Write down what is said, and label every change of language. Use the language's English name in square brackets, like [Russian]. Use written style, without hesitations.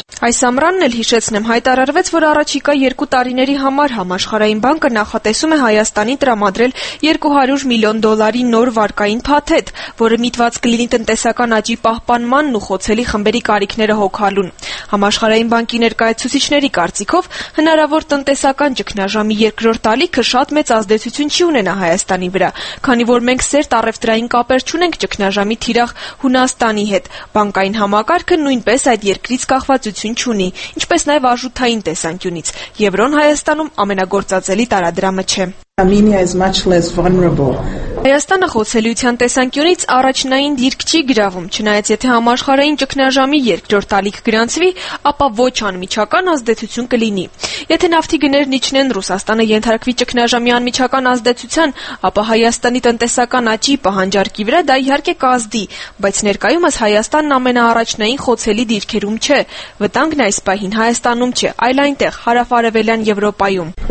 [Armenian] Այս ամռանն էլ հիշեցնեմ, հայտարարվեց, որ առաջիկա 2 տարիների համար Համաշխարհային բանկը նախատեսում է Հայաստանի տրամադրել 200 միլիոն դոլարի նոր վարկային փաթեթ, որը միտված կլինի տնտեսական աճի պահպանման ու խոցելի խմբերի կարիքները հոգալուն։ Համաշխարհային բանկի ներկայացուցիչների կարծիքով, հնարավոր տնտեսական ճգնաժամի երկրորդ ալիքը շատ մեծ ազդեցություն չի ունենա Հայաստանի վրա, քանի որ մենք սերտ առևտրային կապեր չունենք ճգնաժամի թիրախ Հունաստանի հետ։ Բանկային համակարգը նույնպես այդ երկրից կախվածություն չունի, ինչպես նաև արժութային տեսանկյունից, Եվրոն Հայաստանում ամենագործածելի տարադրամը չէ։ [English] Armenia is much less vulnerable. [Armenian] Հայաստանը խոցելիության տեսանկյունից առաջնային դիրք չի գրավում, չնայած եթե համաշխարհային ճգնաժամի երկրորդ ալիք գրանցվի, ապա ոչ անմիջական ազդեցություն կլինի։ Եթե նավթի գներն իջնեն, Ռուսաստանը ենթարկվի ճգնաժամի անմիջական ազդեցության, ապա Հայաստանի տնտեսական աճի պահանջարկի վրա դա իհարկե կազդի, բայց ներկայումս Հայաստանն ամենաառաջնային խոցելի դիրքերում չէ։ Վտանգն այս պահին Հայաստանում չէ, այլ այնտեղ, հարավարևելյան Եվրոպայում։